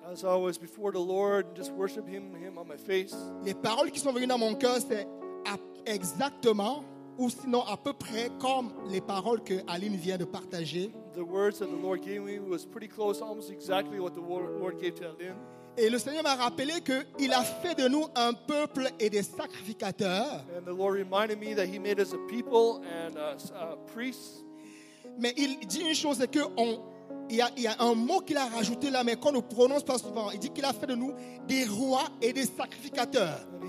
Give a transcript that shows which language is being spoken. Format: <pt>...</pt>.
<en>as I was before the Lord and just worship him on my face,</en> <fr>les paroles qui sont venues dans mon cœur, c'est exactement ou sinon à peu près comme les paroles que Aline vient de partager.</fr> <en>The words that the Lord gave me was pretty close, almost exactly what the Lord gave to Aline.</en> <fr>Et le Seigneur m'a rappelé qu'il a fait de nous un peuple et des sacrificateurs.</fr> <en>And the Lord reminded me that he made us a people and a priest.</en> <fr>Mais il dit une chose, c'est qu'il y a un mot qu'il a rajouté là, mais qu'on ne prononce pas souvent. Il dit qu'il a fait de nous des rois et des sacrificateurs.</fr>